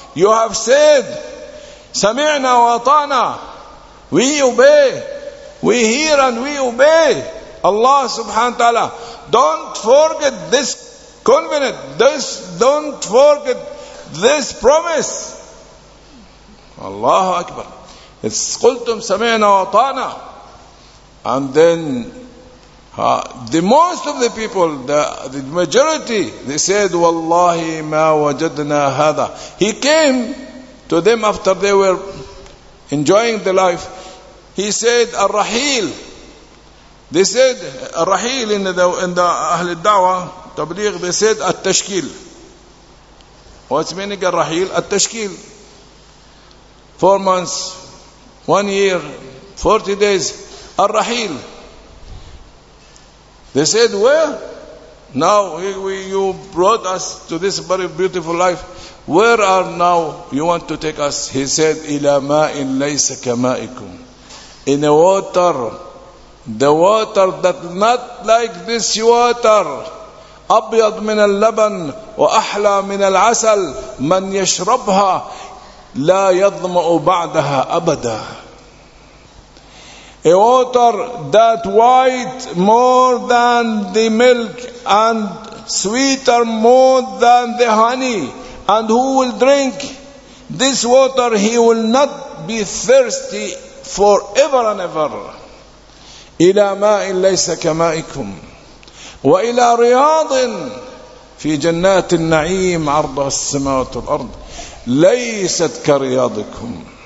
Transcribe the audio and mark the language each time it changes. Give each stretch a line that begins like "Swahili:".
English: You have said,
Arabic: سَمِعْنَا وَأَطَعْنَا.
English: We obey. We hear and we obey Allah subhanahu wa ta'ala. Don't forget this covenant. Don't forget this promise.
Arabic: Allahu Akbar.
English: It's
Arabic: قلتم سمعنا وطعنا.
English: And then the most of the people, the majority, they said,
Arabic: والله ما وجدنا هذا.
English: He came to them after they were enjoying the life. He said, الرحيل. They said, الرحيل in the أهل الدعوة, تبليغ, they said, التشكيل. What's meaning الرحيل?
Arabic: التشكيل.
English: 4 months, 1 year, 40 days, الرحيل. They said, where? Now you brought us to this very beautiful life. Where are now you want to take us? He said,
Arabic: إلى ماء ليس كمائكم.
English: In a water, the water that not like this water,
Arabic: أبيض من اللبن وأحلى من العسل من يشربها لا يظمأ بعدها أبدا.
English: A water that white more than the milk and sweeter more than the honey, and who will drink this water, he will not be thirsty forever and ever.
Arabic: إلى ماء ليس كمائكم، وإلى رياض في جنات النعيم عرضها السماوات والأرض ليست كرياضكم.